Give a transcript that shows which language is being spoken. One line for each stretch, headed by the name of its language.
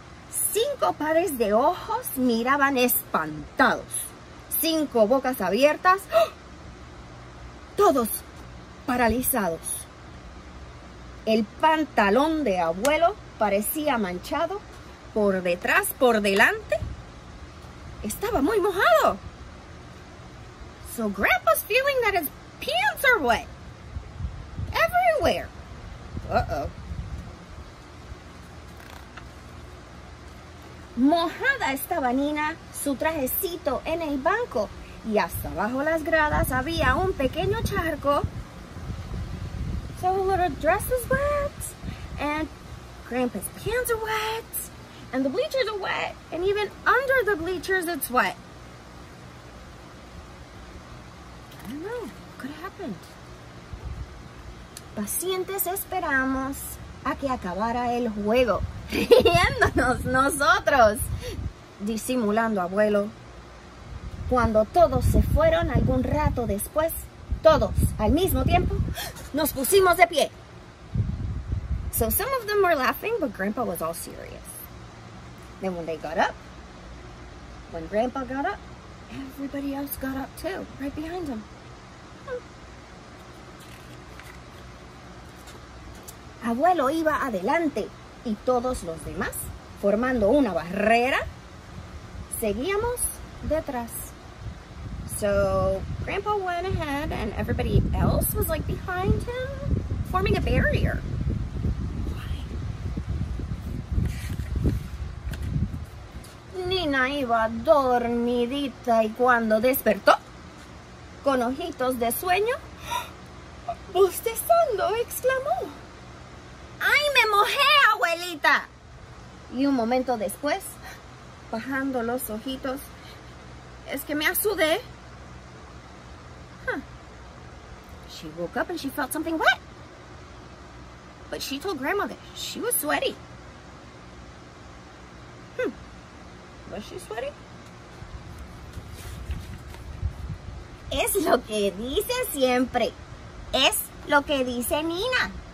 Spanish: Cinco pares de ojos miraban espantados. Cinco bocas abiertas. Todos paralizados. El pantalón de abuelo parecía manchado por detrás, por delante. Estaba muy mojado.
English: So grandpa's feeling that his pants are wet. Everywhere. Uh-oh.
Spanish: Mojada estaba Nina, su trajecito en el banco. Y hasta bajo las gradas había un pequeño charco.
English: So the little dress is wet. And grandpa's pants are wet. And the bleachers are wet, and even under the bleachers, it's wet. I don't know, could have happened.
Spanish: Pacientes esperamos a que acabara el juego, riéndonos nosotros, disimulando abuelo. Cuando todos se fueron algún rato después, todos al mismo tiempo, nos pusimos de pie.
English: So some of them were laughing, but grandpa was all serious. Then when they got up, when grandpa got up, everybody else got up too, right behind him.
Spanish: Abuelo iba adelante y todos los demás, formando una barrera, seguíamos detrás.
English: So grandpa went ahead and everybody else was like behind him, forming a barrier.
Spanish: Nina Nina iba dormidita y cuando despertó, con ojitos de sueño, bostezando, exclamó: ¡Ay, me mojé, abuelita! Y un momento después, bajando los ojitos, es que me asudé.
English: She woke up and she felt something wet. But she told Grandma that she was sweaty. Was she sweaty?
Spanish: Es lo que dice siempre. Es lo que dice Nina.